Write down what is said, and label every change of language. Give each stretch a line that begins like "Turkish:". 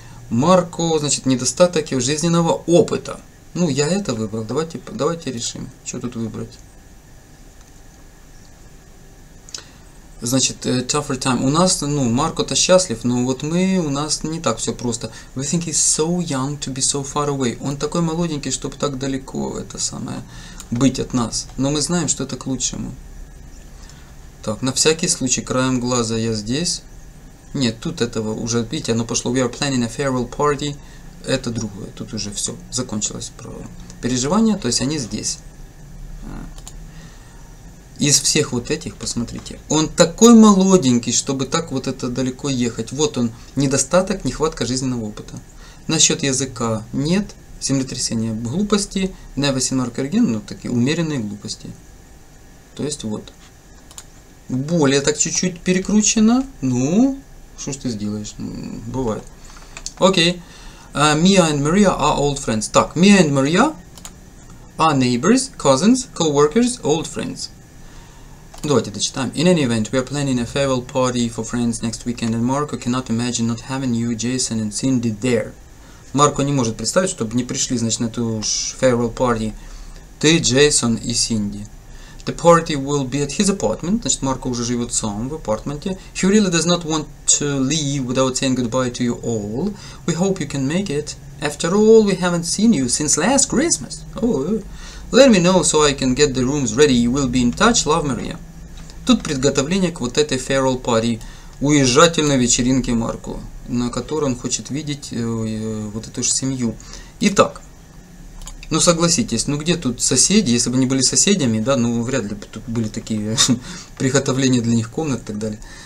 Russian: Марко, значит, недостаток его жизненного опыта. Ну, я это выбрал. Давайте решим, что тут выбрать.
English: Значит, tougher time.
Russian: У нас, ну, Марко-то счастлив, но вот мы, у нас не так все просто.
English: We think he's so young to be so far away.
Russian: Он такой молоденький, чтобы так далеко, это самое, быть от нас. Но мы знаем, что это к лучшему. Так, на всякий случай, краем глаза я здесь. Нет, тут этого уже, видите, оно пошло.
English: We are planning a farewell party.
Russian: Это другое, тут уже все, закончилось про переживания, то есть они здесь. Из всех вот этих, посмотрите, он такой молоденький, чтобы так вот это далеко ехать. Вот он, недостаток, нехватка жизненного опыта. Насчет языка нет, землетрясение глупости,
English: never seen Marco again,
Russian: ну такие умеренные глупости. То есть вот, более так чуть-чуть перекручено, ну, что ж ты сделаешь, ну, бывает. Окей,
English: Mia and Maria are old friends. Так, Mia and Maria are neighbors, cousins, co-workers, old friends.
Russian: Давайте дочитаем.
English: In any event, we are planning a farewell party for friends next weekend, and Marco cannot imagine not having you, Jason and Cindy there.
Russian: Марко не может представить, чтобы не пришли, значит, на эту farewell party ты, Джейсон и Синди.
English: The party will be at his apartment.
Russian: Значит, Марко уже живет сам в апартменте.
English: He really does not want to leave without saying goodbye to you all. We hope you can make it. After all, we haven't seen you since last Christmas. Let me know, so I can get the rooms ready. You will be in touch. Love, Maria.
Russian: Тут приготовление к вот этой farewell party, уезжательной вечеринке Марко, на которой он хочет видеть вот эту же семью. Итак, ну согласитесь, ну где тут соседи, если бы не были соседями, да, ну вряд ли бы тут были такие приготовления для них комнат и так далее.